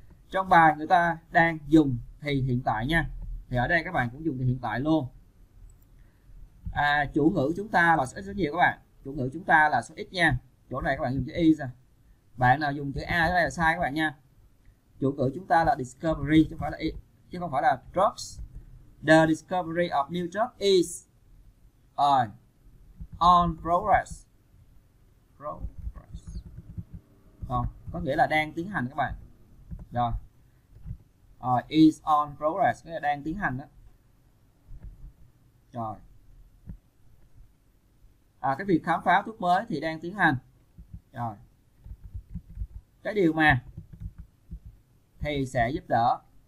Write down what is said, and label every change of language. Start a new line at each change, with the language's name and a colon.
Vietnamese: Trong bài người ta đang dùng thì hiện tại nha. Thì ở đây các bạn cũng dùng thì hiện tại luôn. Chủ ngữ chúng ta là số ít số nhiều các bạn. Chủ ngữ chúng ta là số ít nha. Chỗ này các bạn dùng chữ is. Bạn nào dùng chữ a ở đây là sai các bạn nha. Chủ ngữ chúng ta là discovery chứ không phải là it, chứ không phải là drugs.
English: The discovery of new drug is on progress. Progress.
Vietnamese: Rồi, có nghĩa là đang tiến hành các bạn. Rồi.
English: Is on progress
Vietnamese: nghĩa là đang tiến hành đó. Rồi. Cái việc khám phá thuốc mới thì đang tiến hành. Rồi. Cái điều mà thì sẽ giúp đỡ.